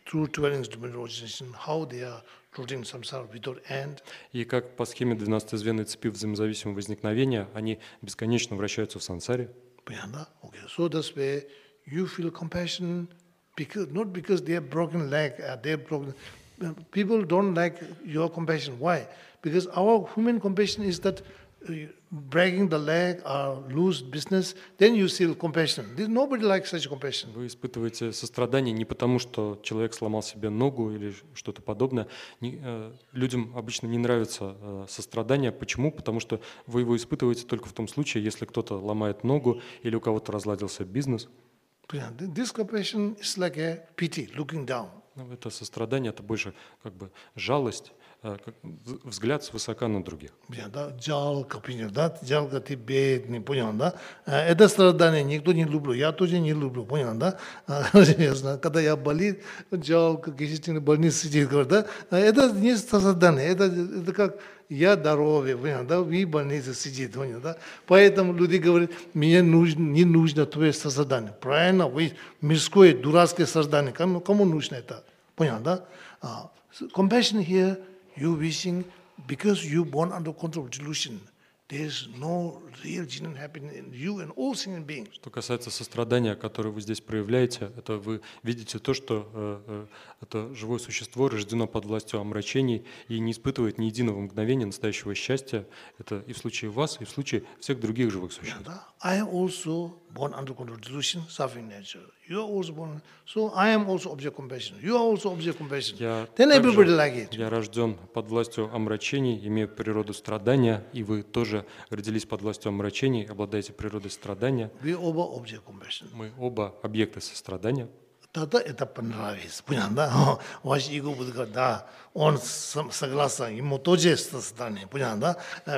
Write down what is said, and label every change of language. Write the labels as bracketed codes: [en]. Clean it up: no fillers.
[en] Through dwelling dimensional organization, how they are rooting samsara without end. [ru] И как по схеме 12 звенной цепи взаимозависимого возникновения, они бесконечно вращаются в сансаре. Понятно? Okay. [en] So that's where you feel compassion, not because they have broken leg, they have broken. People don't like your compassion. Why? Because our human compassion is that breaking the leg or lose business, then you feel compassion. Nobody likes such compassion. [ru] Вы испытываете сострадание не потому, что человек сломал себе ногу или что-то подобное. Людям обычно не нравится сострадание. Почему? Потому что вы его испытываете только в том случае, если кто-то ломает ногу или у кого-то разладился бизнес. [en] This compassion is like a pity, looking down. [ru] Это сострадание, это больше как бы жалость, взгляд свысока на других. Блин, да, жалко, понял, да? Жалко, ты бедный, понял, да? Это страдание никто не люблю, я тоже не люблю, понял, да? Когда я болит, жалко, кишечный больный сидит, говорит, да? Это не страдание, это как я здоровый, понял, да? Вы больницы сидите, понял, да? Поэтому люди говорят, мне нужно, не нужно твое страдание. Правильно, вы мирское, дурацкое страдание, кому нужно это? Понял, да? [en] Compassion here, you wishing, because you born under control of delusion, there's no real genuine happiness in you and all sentient beings. [ru] Что касается сострадания, которое вы здесь проявляете, это вы видите то, что это живое существо рождено под властью омрачений и не испытывает ни единого мгновения настоящего счастья. Это и в случае вас, и в случае всех других живых существ. [en] I am also born under control of delusion, suffering nature. You are also born, so I am also object compassion. You are also object compassion. Then everybody like it. [ru] Я рожден под властью омрачений, имею природу страдания, и вы тоже родились под властью омрачений, обладаете природой страдания. [en] We [ru] оба [en] object compassion. [ru] Мы оба объекты сострадания. Тогда это понравится, понял, да? Ваш эго будет говорить, да, он согласен, ему тоже сострадание, понял, да?